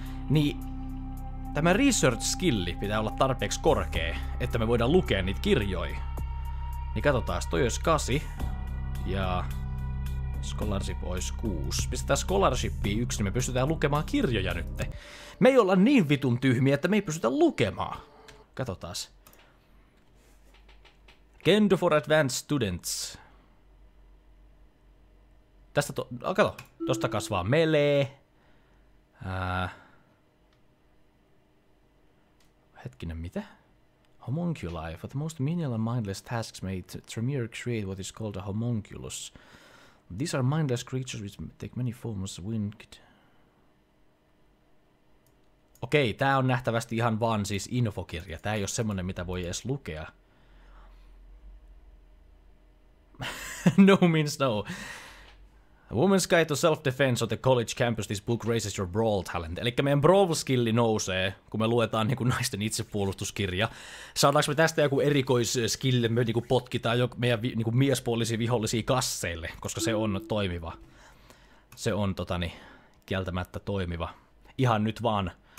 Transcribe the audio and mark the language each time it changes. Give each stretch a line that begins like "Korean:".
Finnish: Niin tämä research skilli pitää olla tarpeeksi korkea, että me voidaan lukea niitä kirjoja. Niin katsotaan, toi olisi 8 ja scholarship olisi 6. Pistetään scholarshipia 1, niin me pystytään lukemaan kirjoja nytte. Me ei olla niin vitun tyhmiä, että me ei pystytä lukemaan. Katotaas.
English: Kendo for advanced students.
Finnish: Tästä kato. Tosta kasvaa melee. Hetkinen, mitä? Homunculi.
English: For the most menial and mindless tasks may Tremere create what is called a homunculus. These are mindless creatures which take many forms winged.
Finnish: Okei, tää on nähtävästi ihan vaan siis infokirja. Tää ei oo semmonen, mitä voi edes lukea.
English: No means no. A woman's guide to self-defense on the college campus, this book raises your brawl talent.
Finnish: Elikkä meidän brawl-skilli nousee, kun me luetaan niinku naisten itsepuolustuskirja. Saadaanko me tästä joku erikoisskille, me niinku potkitaan jo meidän niinku miespuolisia vihollisia kasseille, koska se on toimiva. Se on kieltämättä toimiva. Ihan nyt vaan.